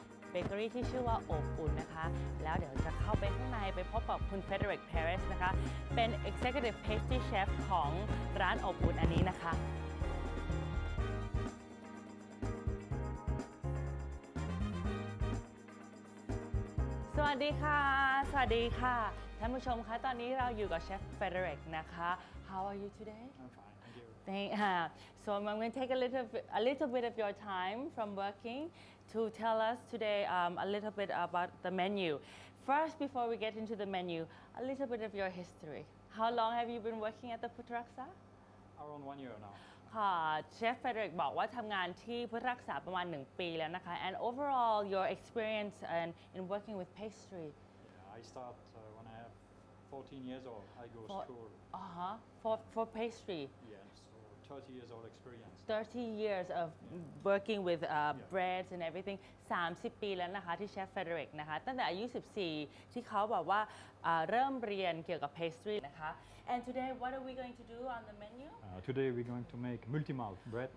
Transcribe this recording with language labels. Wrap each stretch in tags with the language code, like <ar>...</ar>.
<th>เบเกอรี่ที่ชื่อว่าอบอุ่นนะคะแล้วเดี๋ยวจะเข้าไปข้างในไปพบกับคุณเฟเดริกเพเรสนะคะเป็น Executive Pastry Chef ของร้านอบอุ่นอันนี้นะคะสวัสดีค่ะสวัสดีค่ะท่านผู้ชมคะตอนนี้เราอยู่กับเชฟเฟเดริกนะคะ</th> <en>How are you today? I'm fine. So I'm going to take a little bit of your time from working to tell us today a little bit about the menu. First, before we get into the menu, a little bit of your history. How long have you been working at the Phut Raksa? Around 1 year now.</en> <th>Chef Frederick บอกว่าทำงานที่ Phut Raksa ประมาณ1 ปีแล้วนะคะ</th> <en>And overall, your experience in working with pastry? Yeah, I start when I have 14 years old. I go to school. Uh-huh. For pastry? Yes. 30 years old experience. 30 years of working with breads and everything.</en> <th>30ปีแล้วนะคะที่เชฟเฟเดริกนะคะตั้งแต่อายุ14ที่เขาบอกว่าเริ่มเรียนเกี่ยวกับ pastry นะคะ</th> <en>And today what are we going to do on the menu? Today we're going to make multi malt bread.</en>